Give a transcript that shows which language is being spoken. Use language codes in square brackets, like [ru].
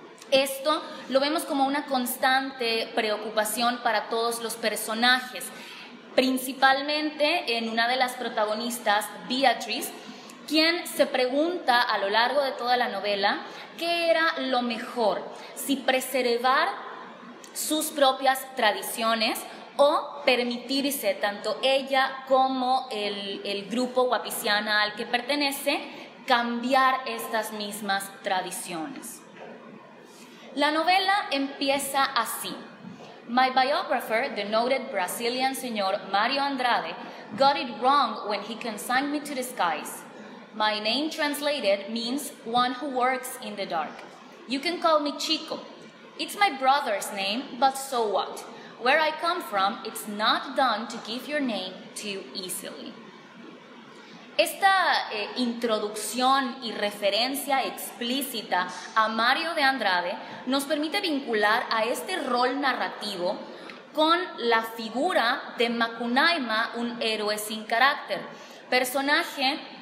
[es] Esto lo vemos como una constante preocupación para todos los personajes, principalmente en una de las protagonistas, Beatrice, quien se pregunta a lo largo de toda la novela qué era lo mejor, si preservar sus propias tradiciones o permitirse, tanto ella como el grupo guapiciana al que pertenece, cambiar estas mismas tradiciones. La novela empieza así. [en] My biographer, the noted Brazilian señor Mario Andrade, got it wrong when he consigned me to the skies. My name translated means one who works in the dark. You can call me Chico. It's my brother's name, but so what? Where I come from, it's not done to give your name too easily. [es] Esta introducción y referencia explícita a Mario de Andrade nos permite vincular a este rol narrativo con la figura de Macunaíma, un héroe sin carácter, personaje